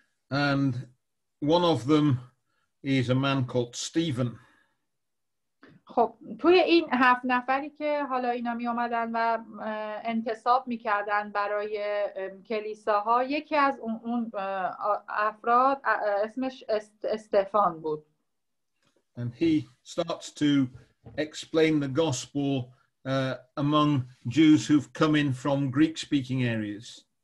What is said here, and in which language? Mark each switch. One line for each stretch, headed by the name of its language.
English: And one of them is a man called Stephen.
Persian: خب توی این 7 نفری که حالا اینا می اومدن و انتصاب می‌کردن برای کلیساها، یکی از اون افراد اسمش استفان بود.
English: And he starts to explain the gospel among Jews who've come in from Greek-speaking areas.